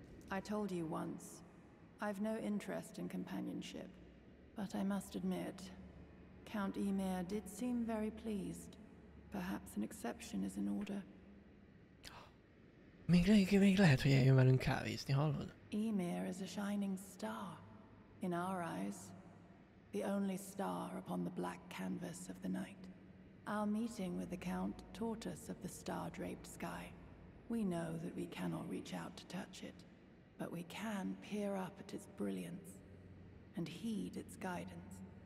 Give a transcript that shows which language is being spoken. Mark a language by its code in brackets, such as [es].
[en] I told you once, I've no interest in companionship, but I must admit, Count Ymir did seem very pleased. Perhaps an exception is in order. [hu] Még lehet, hogy eljön velünk kávézni, hallod? [en] Ymir is a shining star, in our eyes, the only star upon the black canvas of the night. Our meeting with the Count taught us of the star-draped sky. We know that we cannot reach out to touch it. But we can peer up at its brilliance and heed its guidance.